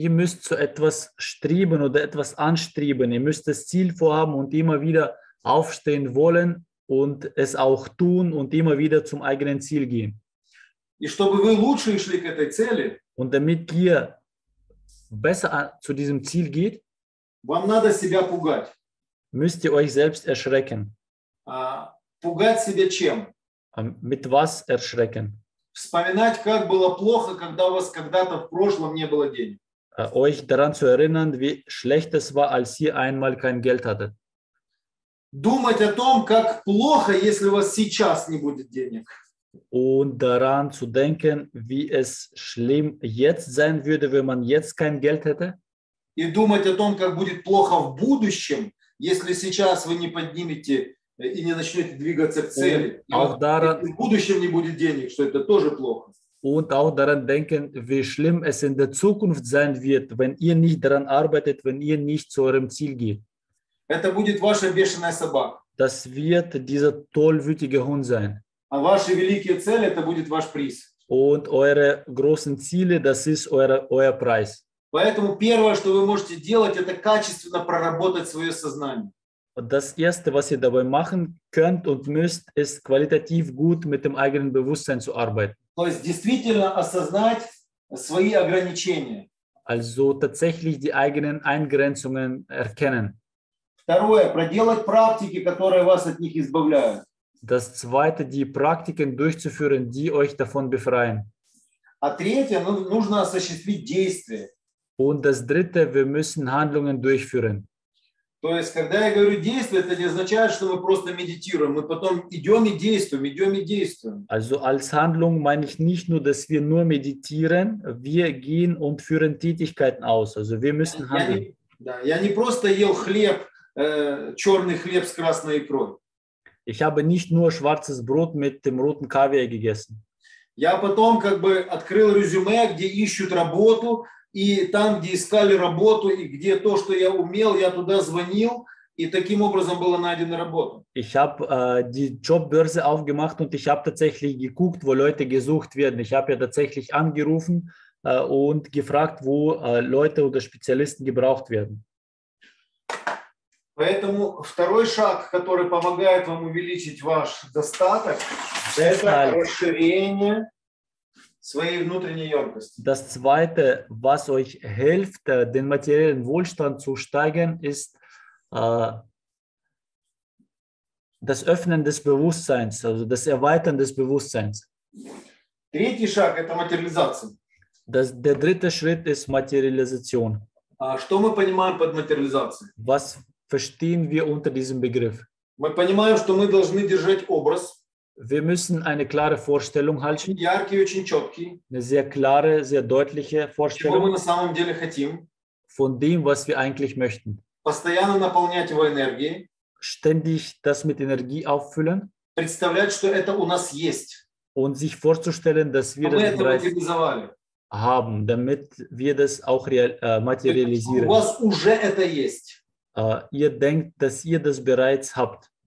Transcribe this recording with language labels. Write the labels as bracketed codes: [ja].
[de] Ihr müsst zu etwas streben oder etwas anstreben. Ihr müsst das Ziel vorhaben und immer wieder aufstehen wollen und es auch tun und immer wieder zum eigenen Ziel gehen. [ru] И чтобы вы лучше шли к этой цели, [de] und damit ihr besser zu diesem Ziel geht, [ru] вам надо себя пугать. [de] Müsst ihr euch selbst erschrecken. [ru] Пугать себя чем? [de] Mit was erschrecken? [ru] Вспоминать, как было плохо, когда у вас когда-то в прошлом не было денег. [de] Euch daran zu erinnern, wie schlecht es war, als ihr einmal kein Geld hattet. [ru] Думать о том, как плохо, если у вас сейчас не будет денег. [de] Und daran zu denken, wie es schlimm jetzt sein würde, wenn man jetzt kein Geld hätte. [ru] И думать о том, как будет плохо в будущем, если сейчас вы не поднимете и не начнете двигаться к цели. [de] Auch daran, [ru] если в будущем не будет денег, что это тоже плохо. [de] Und auch daran denken, wie schlimm es in der Zukunft sein wird, wenn ihr nicht daran arbeitet, wenn ihr nicht zu eurem Ziel geht. [ru] Это будет ваша бешеная собака. [de] Das wird dieser tollwütige Hund sein. [ru] А ваши великие цели, это будет ваш приз. [de] Und eure großen Ziele, das ist euer Preis. [ru] Поэтому первое, что вы можете делать, это качественно проработать свое сознание. [de] Das erste, was ihr dabei machen könnt und müsst, ist qualitativ gut mit dem eigenen Bewusstsein zu arbeiten. [ru] То есть действительно осознать свои ограничения. [de] Also tatsächlich die eigenen Eingrenzungen erkennen. [ru] Второе, проделать практики, которые вас от них избавляют. [de] Das zweite, die Praktiken durchzuführen, die euch davon befreien. [ru] А третье, нужно осуществить действие. [de] Und das dritte, wir müssen Handlungen durchführen. [ru] То есть, когда я говорю действие, это не означает, что мы просто медитируем, мы потом идем и действуем, идем и действуем. [de] Also als Handlung meine ich nicht nur, dass wir nur meditieren, wir gehen und führen Tätigkeiten aus. Also wir müssen handeln. [ru] Я не просто ел хлеб, черный хлеб с красной икрой. [de] Ich habe nicht nur schwarzes Brot mit dem roten Kaviar gegessen. [ru] Я потом как бы открыл резюме, где ищут работу. И там, где искали работу, и где то, что я умел, я туда звонил, и таким образом было найдено работа. [de] Ich habe die Jobbörse aufgemacht und ich habe tatsächlich geguckt, wo Leute gesucht werden. Ich habe ja tatsächlich angerufen und gefragt, wo Leute oder Spezialisten gebraucht werden. [ru] Поэтому второй шаг, который помогает вам увеличить ваш достаток, это расширение своей внутренней емкости. [de] Das zweite, was euch hilft, den materiellen Wohlstand zu steigern, ist das Öffnen des Bewusstseins, also das Erweitern des Bewusstseins. [ru] Третий шаг – это материализация. [de] Der dritte Schritt ist Materialisation. [ru] Что мы понимаем под материализацией? [de] Was verstehen wir unter diesem Begriff? [ru] Мы понимаем, что мы должны держать образ. [de] Wir müssen eine klare Vorstellung halten. Eine sehr klare, sehr deutliche Vorstellung. [ru] Чего мы на самом деле хотим. [de] Von dem, was wir eigentlich möchten. [ru] Постоянно наполнять его энергией. [de] Ständig das mit Energie auffüllen. [ru] Представлять, что это у нас есть. [de] Und sich vorzustellen, dass wir das bereits haben, damit wir das auch materialisieren. [ru] У вас уже это есть. [de] Ihr denkt, dass ihr das bereits habt.